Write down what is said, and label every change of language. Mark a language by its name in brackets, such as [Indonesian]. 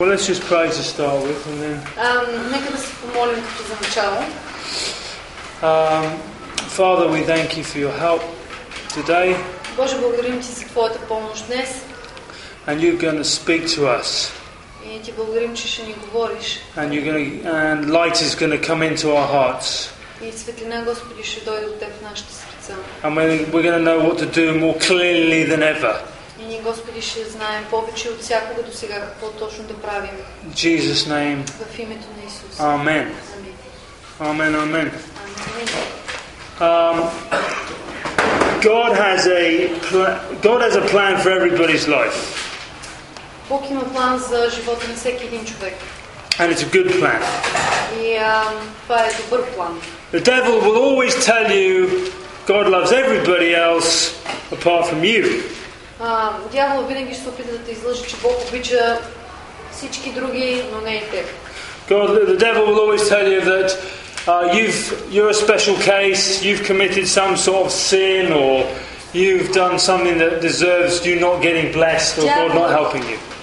[English] Well, let's just pray to start with, and then... Make us a morning for some child. Father, we thank you for your help today. [Bulgarian] Боже, благодарим ти за твоята помощ днес. [English] And you're going to speak to us. [Bulgarian] И ти благодарим, че ще ни говориш. [English] And you're going to, and light is going to come into our hearts. [Bulgarian] И светлина, Господи, ще дойде от теб в нашите сърца. [English] And we're going to know what to do more clearly than ever. [Bulgarian] Господи, ще знаем повече от всякога до сега какво точно да правим. [English] Jesus name. [Bulgarian] В името на Исус. Амен. Амен, амен. [English] God has a plan for everybody's life. [Bulgarian] Бог има план за живота на всеки един човек. [English] And it's a good plan. [Bulgarian] И това е добър план. [English] The devil will always tell you God loves everybody else apart from you. [Bulgarian] Дявол винаги ще се опита да те излъжи, че Бог обича всички други, но не и теб. [English] God, the devil will always tell you that you're a special case, you've committed some sort of sin, or you've done something that deserves you not getting blessed, or God not helping you.